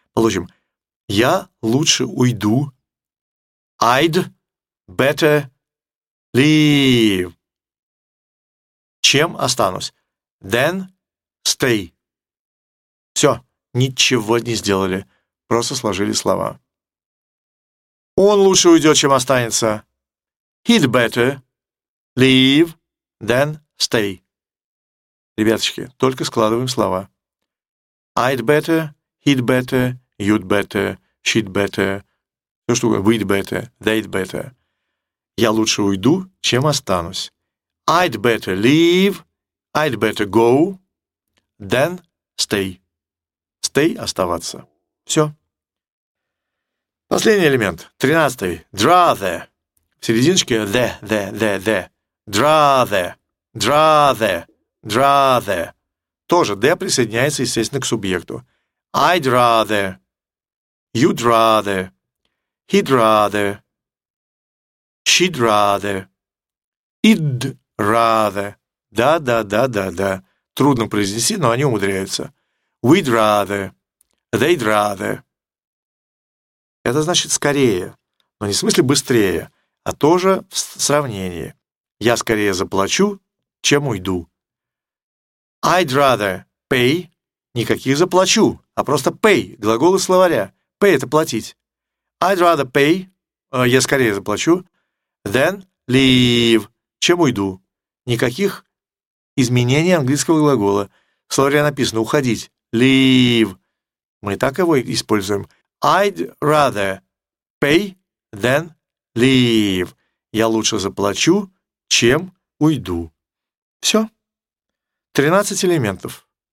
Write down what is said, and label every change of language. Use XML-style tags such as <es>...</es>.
<ru>Получим «я лучше уйду».</ru> <en>I'd better leave.</en> <ru>Чем останусь?</ru> <en>Then stay.</en> <ru>Все, ничего не сделали. Просто сложили слова. Он лучше уйдет, чем останется.</ru> <en>He'd better leave than stay.</en> <ru>Ребяточки, только складываем слова.</ru> <en>I'd better, he'd better, you'd better, she'd better.</en> <ru>Все, что угодно.</ru> <en>We'd better, they'd better.</en> <ru>Я лучше уйду, чем останусь.</ru> <en>I'd better leave, I'd better go, then stay.</en> <ru>Stay – оставаться. Все. Последний элемент, 13-й. Drather. В серединочке the.</ru> <en>Drather, drather, drather.</en> <ru>Тоже the присоединяется, естественно, к субъекту.</ru> <en>I'd rather, you'd rather. He'd rather, she'd rather, it'd rather.</en> <ru>Да-да-да-да-да. Трудно произнести, но они умудряются.</ru> <en>We'd rather, they'd rather.</en> <ru>Это значит скорее, но не в смысле быстрее, а тоже в сравнении. Я скорее заплачу, чем уйду.</ru> <en>I'd rather pay.</en> <ru>Никаких заплачу, а просто pay. Глагол из словаря. Pay – это платить.</ru> <en>I'd rather pay,</en> <ru>я скорее заплачу,</ru> <en>than leave,</en> <ru>чем уйду. Никаких изменений английского глагола. В словаре написано «уходить», leave. Мы так его используем.</ru> <en>I'd rather pay, than leave.</en> <ru>Я лучше заплачу, чем уйду. Все. 13 элементов.</ru>